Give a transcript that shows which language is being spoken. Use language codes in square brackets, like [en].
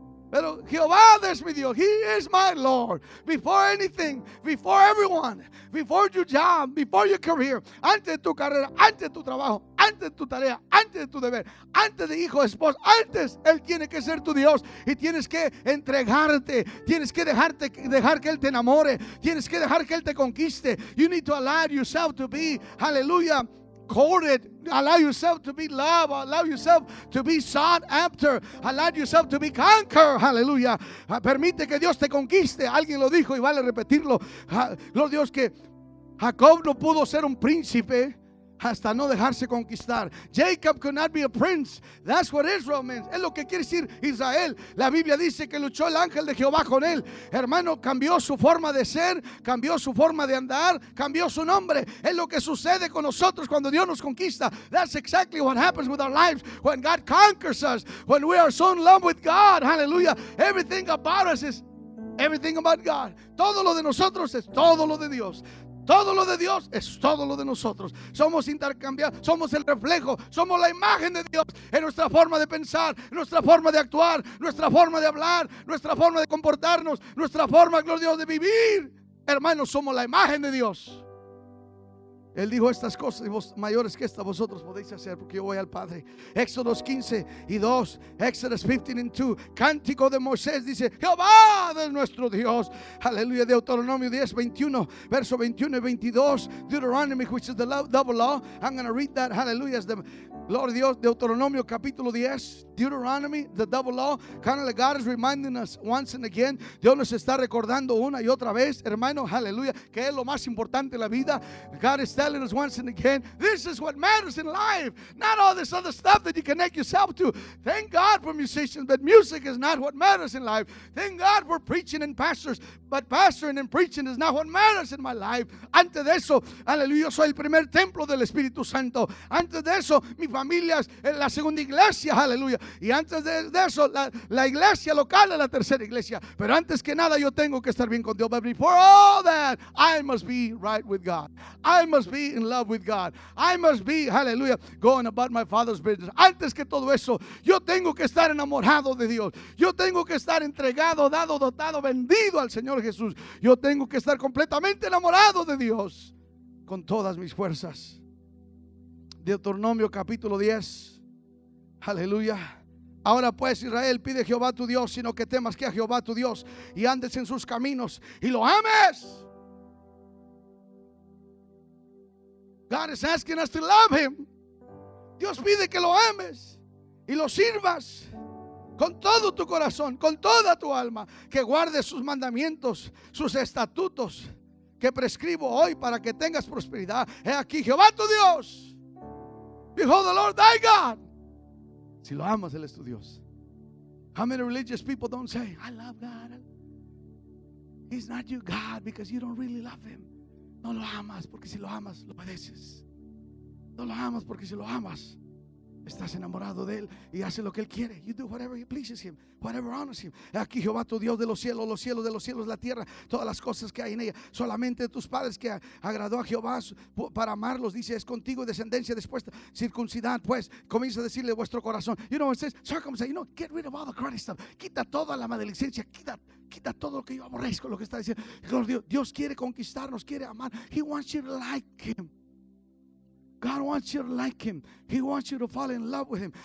[es] Pero Jehová es mi Dios. [en] He is my Lord. Before anything, before everyone, before your job, before your career, [es] antes de tu carrera, antes de tu trabajo, antes de tu tarea, antes de tu deber, antes de hijo, esposo, antes Él tiene que ser tu Dios. Y tienes que entregarte, tienes que dejarte, dejar que Él te enamore, tienes que dejar que Él te conquiste. [en] You need to allow yourself to be, hallelujah, courted. Allow yourself to be loved. Allow yourself to be sought after. Allow yourself to be conquered. Hallelujah. [es] Permite que Dios te conquiste. Alguien lo dijo y vale repetirlo. Gloria a Dios que Jacob no pudo ser un príncipe hasta no dejarse conquistar. [en] Jacob could not be a prince. That's what Israel means. [es] Es lo que quiere decir Israel. La Biblia dice que luchó el ángel de Jehová con él. Hermano, cambió su forma de ser, cambió su forma de andar, cambió su nombre. Es lo que sucede con nosotros cuando Dios nos conquista. [en] That's exactly what happens with our lives when God conquers us, when we are so in love with God. Hallelujah. Everything about us is everything about God. [es] Todo lo de nosotros es todo lo de Dios. Todo lo de Dios es todo lo de nosotros. Somos intercambiados, somos el reflejo, somos la imagen de Dios en nuestra forma de pensar, nuestra forma de actuar, nuestra forma de hablar, nuestra forma de comportarnos, nuestra forma, gloria a Dios, de vivir. Hermanos, somos la imagen de Dios. Él dijo estas cosas y vos mayores que estas vosotros podéis hacer porque yo voy al Padre. Éxodos 15:2, Exodus 15:2, cántico de Moisés dice: Jehová es nuestro Dios. [en] Aleluya. Deuteronomio 10:21, verso 21 y 22, Deuteronomy, which is the double law. I'm going to read that. Hallelujah. [es] Es de Lord Dios, Deuteronomio capítulo 10, Deuteronomy, [en] the double law. Kind of like God is reminding us once and again. [es] Dios nos está recordando una y otra vez, hermano, aleluya, que es lo más importante en la vida. [en] God is telling us once and again, this is what matters in life, not all this other stuff that you connect yourself to. Thank God for musicians, but music is not what matters in life. Thank God for preaching and pastors, but pastoring and preaching is not what matters in my life. [es] Antes de eso, aleluya, soy el primer templo del Espíritu Santo. Antes de eso, mi familia es en la segunda iglesia, aleluya. Y antes de eso, la iglesia local es la tercera iglesia. Pero antes que nada, yo tengo que estar bien con Dios. [en] But before all that, I must be right with God. I must be in love with God. I must be, hallelujah, going about my Father's business. [es] Antes que todo eso, yo tengo que estar enamorado de Dios. Yo tengo que estar entregado, dado, dotado, vendido al Señor Jesús. Yo tengo que estar completamente enamorado de Dios con todas mis fuerzas. Deuteronomio capítulo 10. Aleluya. Ahora pues, Israel, pide a Jehová tu Dios, sino que temas que a Jehová tu Dios y andes en sus caminos y lo ames. [en] God is asking us to love Him. [es] Dios pide que lo ames y lo sirvas con todo tu corazón, con toda tu alma, que guardes sus mandamientos, sus estatutos que prescribo hoy para que tengas prosperidad. He aquí, Jehová tu Dios. [en] Behold the Lord thy God. [es] Si lo amas, Él es tu Dios. [en] How many religious people don't say, I love God. He's not your God because you don't really love Him. [es] No lo amas porque si lo amas, lo padeces. No lo amas porque si lo amas, estás enamorado de Él y haces lo que Él quiere. [en] You do whatever He pleases Him, whatever honors Him. [es] Aquí Jehová tu Dios de los cielos de los cielos, la tierra, todas las cosas que hay en ella. Solamente tus padres que agradó a Jehová para amarlos, dice, es contigo y descendencia después circuncidad. Pues comienza a decirle vuestro corazón. [en] You know, it says, circumcise, you know, get rid of all the crazy stuff. [es] Quita toda la maledicencia, quita todo lo que yo aborrezco, lo que está diciendo. Dios quiere conquistarnos, quiere amar. [en] He wants you to like Him. God wants you to like him. He wants you to fall in love with him.